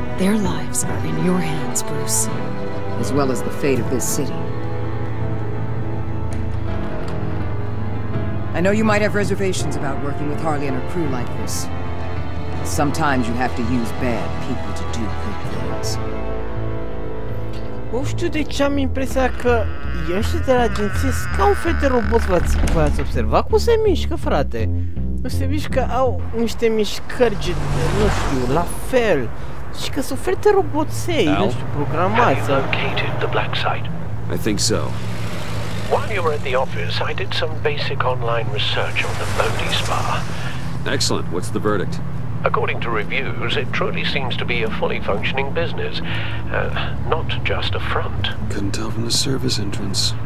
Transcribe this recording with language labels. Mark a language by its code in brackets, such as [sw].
[en] Their lives are in your hands, Bruce. As well as the fate of this city. I know you might have reservations about working with Harley and her crew like this. Sometimes you have to use bad people to do good things. [ro] Nu știu de ce am impresia că ești de la agenție sunt ca un fel de robot, v-ați observat cum se mișcă, frate? Cum se mișcă, au niște mișcări de, nu știu, la fel. Și că sunt un fel de roboței, nu știu, programați. [en] Have you located the black site? I think so. While you were at the office, I did some basic online research on the Bodhi Spa. Excellent. What's the verdict? According to reviews, it truly seems to be a fully functioning business. Not just a front. Couldn't tell from the service entrance.